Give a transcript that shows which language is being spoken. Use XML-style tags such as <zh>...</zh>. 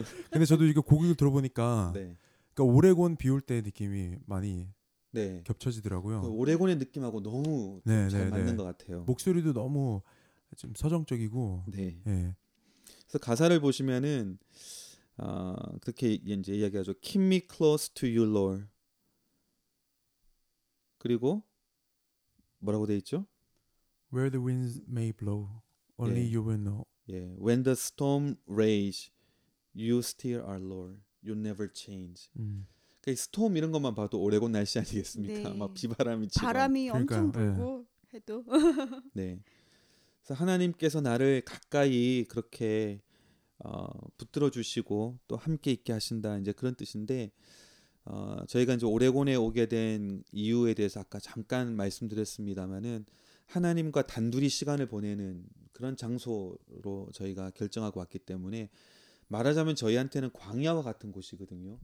<ko>근데 저도 이게 곡을 들어보니까 네. 그러니까 오레곤 비 올 때 느낌이 많이 네. 겹쳐지더라고요. 그 오레곤의 느낌하고 너무 네, 잘 네, 맞는 네. 것 같아요. 목소리도 너무 좀 서정적이고. 네. 예. 그래서 가사를 보시면은 그렇게 이제 이야기하죠.</ko> <en>Keep me close to you, Lord.</en> <ko>그리고 뭐라고 돼 있죠?</ko> <en>Where the winds may blow, only 예. you will know.</en> <ko>예.</ko> <en>When the storm rages, you still are Lord. You never change.</en> <ko>그러니까 storm 이런 것만 봐도 오레곤 날씨 아니겠습니까? 네. 막 비바람이 치고 바람이 그러니까, 엄청 불고 예. 해도. 네. 그래서 하나님께서 나를 가까이 그렇게 붙들어 주시고 또 함께 있게 하신다 이제 그런 뜻인데 저희가 이제 오레곤에 오게 된 이유에 대해서 아까 잠깐 말씀드렸습니다만은 하나님과 단둘이 시간을 보내는 그런 장소로 저희가 결정하고 왔기 때문에 말하자면 저희한테는 광야와 같은 곳이거든요.</ko>